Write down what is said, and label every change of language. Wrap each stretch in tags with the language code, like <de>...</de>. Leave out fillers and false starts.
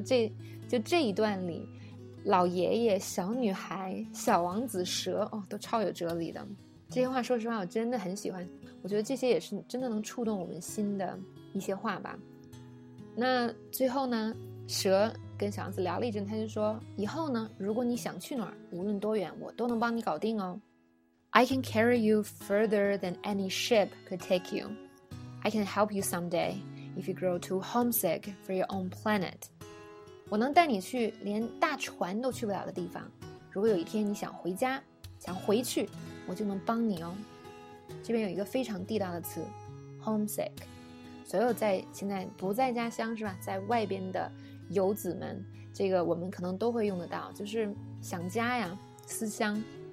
<zh>这一段里，老爷爷、小女孩、小王子、蛇，哦，都超有哲理的。这些话说实话我真的很喜欢，我觉得这些也是真的能触动我们心的一些话吧。那最后呢，蛇跟小王子聊了一阵，他就说，以后呢，如果你想去哪儿，无论多远，我都能帮你搞定哦。</zh> <en>I can carry you further than any ship could take you. I can help you someday if you grow too homesick for your own planet.</en> <zh>我能带你去连大船都去不了的地方，如果有一天你想回家，想回去，我就能帮你哦。这边有一个非常地道的词， homesick，所有在现在不在家乡是吧，在外边的游子们，这个我们可能都会用得到，就是想家呀，思乡。</zh>